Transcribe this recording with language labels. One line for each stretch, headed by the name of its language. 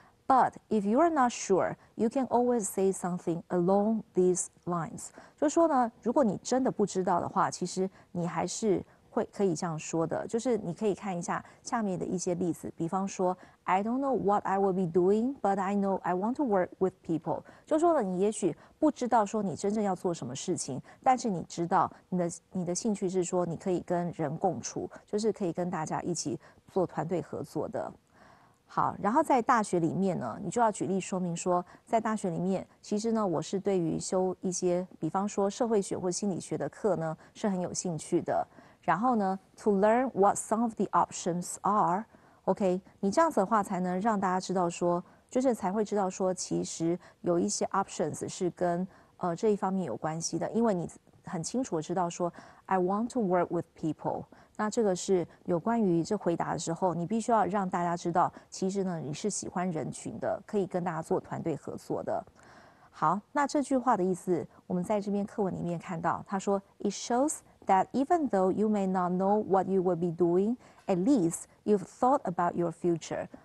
English: But if you are not sure, you can always say something along these lines.
Chinese: 就是说呢，如果你真的不知道的话，其实你还是会可以这样说的。就是你可以看一下下面的一些例子，比方说
English: ，I don't know what I will be doing, but I know I want to work with people.
Chinese: 就是说呢，你也许不知道说你真正要做什么事情，但是你知道你的兴趣是说你可以跟人共处，就是可以跟大家一起做团队合作的。好，然后在大学里面呢，你就要举例说明说，在大学里面，其实呢，我是对于修一些，比方说社会学或心理学的课呢，是很有兴趣的。然后呢 ，
English: to learn what some of the options are，
Chinese: OK， 你这样子的话才能让大家知道说，就是才会知道说，其实有一些 options 是跟这一方面有关系的，因为你很清楚的知道说 ，
English: I want to work with people。
Chinese: 那这个是有关于这回答的时候，你必须要让大家知道，其实呢你是喜欢人群的，可以跟大家做团队合作的。好，那这句话的意思，我们在这篇课文里面看到，他说
English: ，It shows that even though you may not know what you will be doing, at least you've thought about your future。